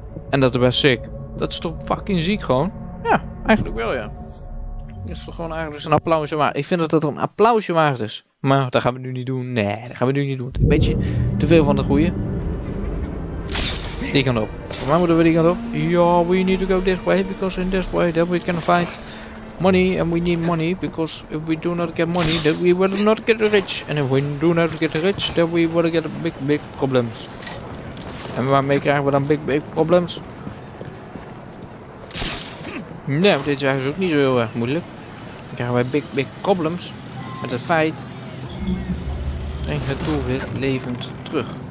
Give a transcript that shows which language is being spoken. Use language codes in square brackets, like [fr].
[nl] En dat is best sick. Dat is toch fucking ziek gewoon? Ja, eigenlijk wel ja. Dat is toch gewoon eigenlijk een applausje waard. Ik vind dat een applausje waard is. Maar dat gaan we nu niet doen. Nee, dat gaan we nu niet doen. Een beetje te veel van de goeie. Die kant op. Waar moeten we die kant op? [en] Yeah, we need to go this way, because in this way then we can find money, and we need money, because if we do not get money, then we will not get rich. And if we do not get rich, then we will get big, big problems. [nl] En waarmee krijgen we dan [en] big, big problems? [nl] Nee, dit is eigenlijk ook niet zo heel erg moeilijk. Dan krijgen wij [en] big, big problems [nl] met het feit. Breng het doelwit levend terug.